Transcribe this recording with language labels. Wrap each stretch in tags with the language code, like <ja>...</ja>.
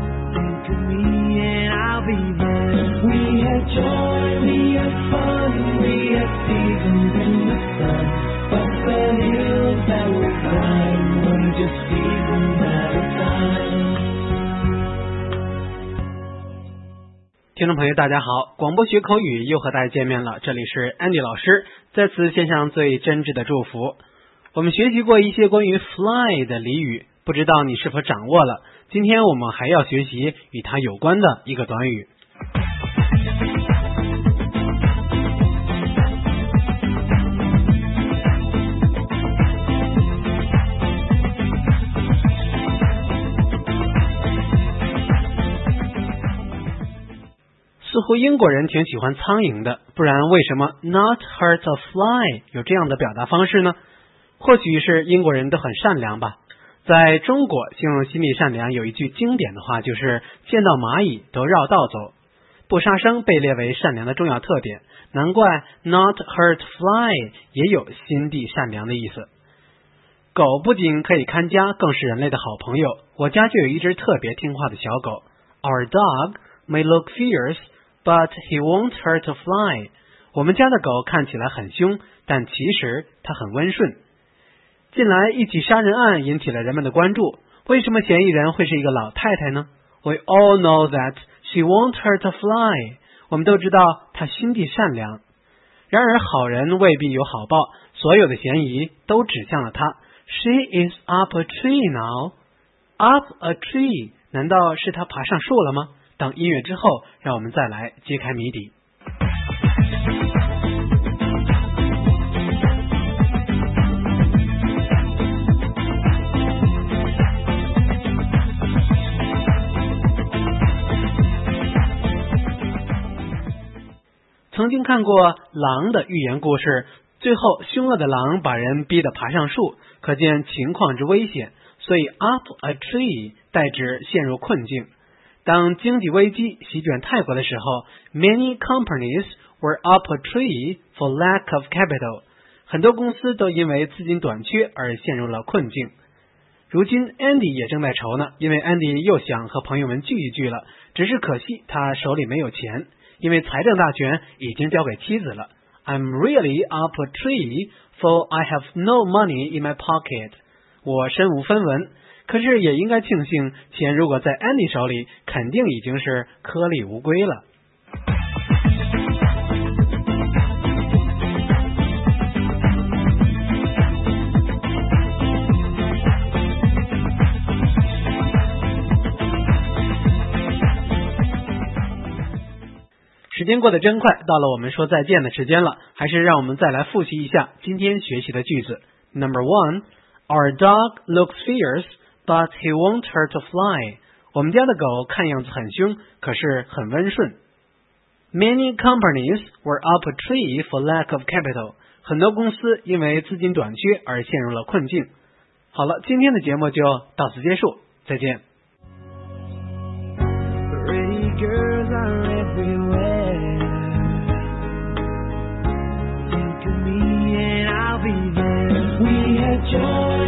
<en>Think of me and I'll be there. We had joy, we had fun, we had seasons in the sun. But the hills that we climbed were just seasons at a time.</en> <zh>听众朋友大家好，广播学口语又和大家见面了，这里是 Andy 老师，再次献上最真挚的祝福。我们学习过一些关于 fly 的俚语，不知道你是否掌握了，今天我们还要学习与它有关的一个短语。似乎英国人挺喜欢苍蝇的，不然为什么</zh> <en>not hurt a fly</en> <zh>有这样的表达方式呢？或许是英国人都很善良吧。在中国形容心理善良有一句经典的话，就是见到蚂蚁都绕道走。不杀生被列为善良的重要特点，难怪</zh> <en>not hurt fly</en> <zh>也有心地善良的意思。狗不仅可以看家，更是人类的好朋友。我家就有一只特别听话的小狗，</zh> <en>our dog may look fierce,But he won't hurt a fly.</en> <zh>我们家的狗看起来很凶，但其实它很温顺。近来一起杀人案引起了人们的关注，为什么嫌疑人会是一个老太太呢？</zh> <en>We all know that she won't hurt a fly.</en> <zh>我们都知道她心地善良。然而好人未必有好报，所有的嫌疑都指向了她。</zh> <en>She is up a tree now. Up a tree.</en> <zh>难道是她爬上树了吗？等音乐之后，让我们再来揭开谜底。曾经看过狼的寓言故事，最后凶恶的狼把人逼得爬上树，可见情况之危险，所以</zh> <en>up a tree</en> <zh>代指陷入困境。当经济危机席卷泰国的时候，</zh> <en>Many companies were up a tree for lack of capital.</en> <zh>很多公司都因为资金短缺而陷入了困境。如今 Andy 也正在愁呢，因为 Andy 又想和朋友们聚一聚了，只是可惜他手里没有钱，因为财政大权已经交给妻子了。</zh> <en>I'm really up a tree for I have no money in my pocket.</en> <zh>我身无分文，可是也应该庆幸，钱如果在 Andy 手里，肯定已经是颗粒无归了。时间过得真快，到了我们说再见的时间了，还是让我们再来复习一下今天学习的句子。</zh> <en>Number one, Our dog looks fierce,But he won't hurt a fly.</en> <zh>我们家的狗看样子很凶，可是很温顺。</zh> <en>Many companies were up a tree for lack of capital.</en> <zh>很多公司因为资金短缺而陷入了困境。好了，今天的节目就到此结束，再见。</zh> <en>Pretty girls are everywhere. Think of me and I'll be there. We had joy.</en>